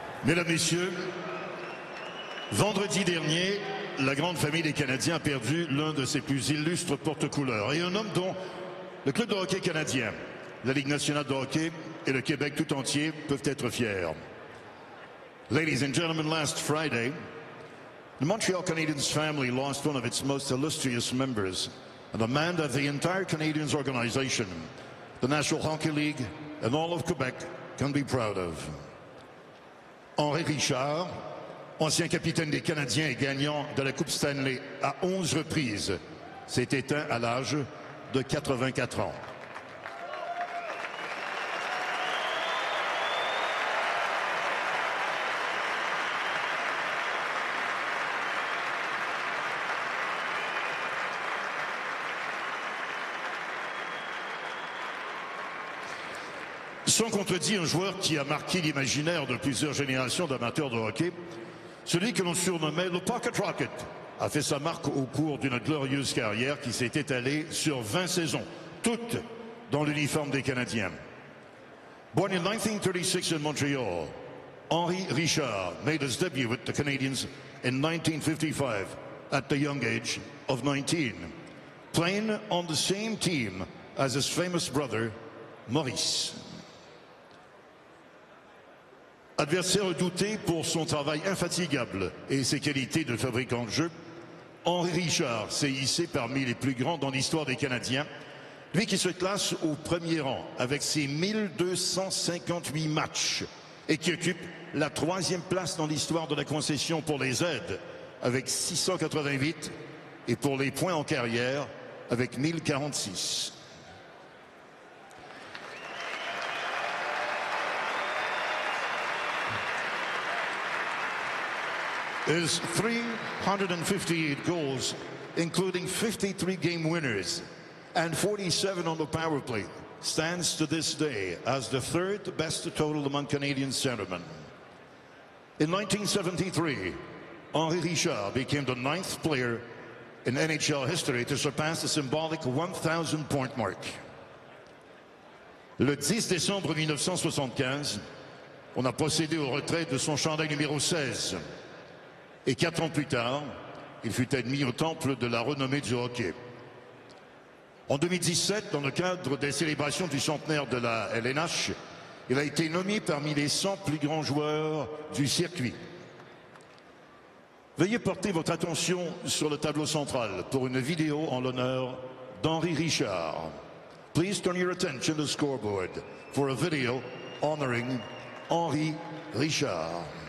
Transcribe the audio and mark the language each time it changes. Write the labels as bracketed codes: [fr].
[fr] Mesdames, Messieurs, vendredi dernier, la grande famille des Canadiens a perdu l'un de ses plus illustres porte-couleurs et un homme dont le club de hockey canadien, la Ligue nationale de hockey et le Québec tout entier peuvent être fiers. [en] Ladies and gentlemen, last Friday, the Montreal Canadiens family lost one of its most illustrious members, and a man that the entire Canadiens organization, the National Hockey League, and all of Quebec can be proud of. [fr] Henri Richard, ancien capitaine des Canadiens et gagnant de la Coupe Stanley à 11 reprises, s'est éteint à l'âge de 84 ans. Sans contredit, un joueur qui a marqué l'imaginaire de plusieurs générations d'amateurs de hockey, celui que l'on surnommait le Pocket Rocket, a fait sa marque au cours d'une glorieuse carrière qui s'est étalée sur 20 saisons, toutes dans l'uniforme des Canadiens. [en] Born in 1936 in Montreal, Henri Richard made his debut with the Canadiens in 1955 at the young age of 19, playing on the same team as his famous brother, Maurice. [fr] Adversaire redouté pour son travail infatigable et ses qualités de fabricant de jeu, Henri Richard s'est hissé parmi les plus grands dans l'histoire des Canadiens, lui qui se classe au premier rang avec ses 1258 matchs et qui occupe la troisième place dans l'histoire de la concession pour les aides avec 688 et pour les points en carrière avec 1046. [en] His 358 goals, including 53 game winners and 47 on the power play, stands to this day as the third best total among Canadian centermen. In 1973, Henri Richard became the ninth player in NHL history to surpass the symbolic 1,000 point mark. [fr] Le 10 décembre 1975, on a procédé au retrait de son chandail numéro 16. Et quatre ans plus tard, il fut admis au temple de la renommée du hockey. En 2017, dans le cadre des célébrations du centenaire de la LNH, il a été nommé parmi les 100 plus grands joueurs du circuit. Veuillez porter votre attention sur le tableau central pour une vidéo en l'honneur d'Henri Richard. [en] Please turn your attention to the scoreboard for a video honoring Henri Richard.